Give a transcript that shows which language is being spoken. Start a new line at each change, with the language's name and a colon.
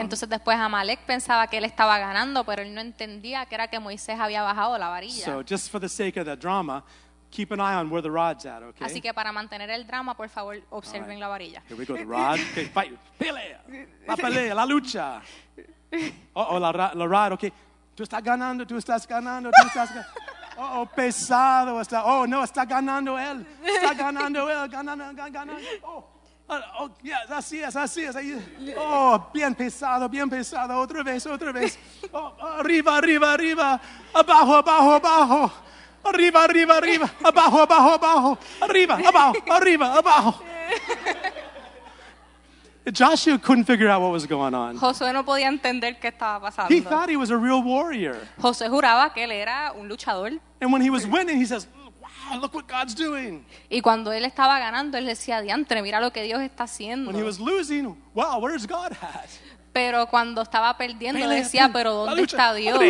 Spanish: Entonces después Amalek pensaba que él estaba ganando, pero él no entendía que era que Moisés había bajado la varilla.
English: So just for the sake of the drama, keep an eye on where the rod's at, okay?
Spanish: Así que para mantener el drama, por favor, observen
English: right.
Spanish: La varilla.
English: Here we go, the rod. Okay, fight.
Spanish: Pelea. La pelea, la lucha. La rod, okay. Tú estás ganando. Oh, pesado está. Oh, no, está ganando él. Ganando. Oh, así es. Oh, bien pesado. Otra vez. Oh, arriba. Abajo. Arriba. Abajo. Arriba, abajo.
English: Joshua couldn't figure out what was going on.
Spanish: Josué no podía entender qué estaba pasando.
English: He thought he was a real warrior.
Spanish: Josué juraba que él era un luchador.
English: And when he was winning, he says, "Wow, look what God's doing."
Spanish: Y cuando él estaba ganando, él decía, "Diantre, mira lo que Dios está haciendo."
English: When he was losing, "Wow, where's God at?"
Spanish: Pero cuando estaba perdiendo, él decía, "Pero ¿dónde está Dios?"